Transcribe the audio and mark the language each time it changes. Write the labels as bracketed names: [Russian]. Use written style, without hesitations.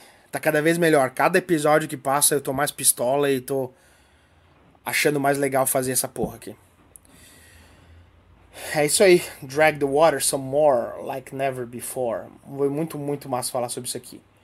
[Portuguese] Tá cada vez melhor. Cada episódio que passa eu tô mais pistola e tô achando mais legal fazer essa porra aqui. É isso aí. [English] Drag the water some more like never before. [Portuguese] Foi muito, muito massa falar sobre isso aqui.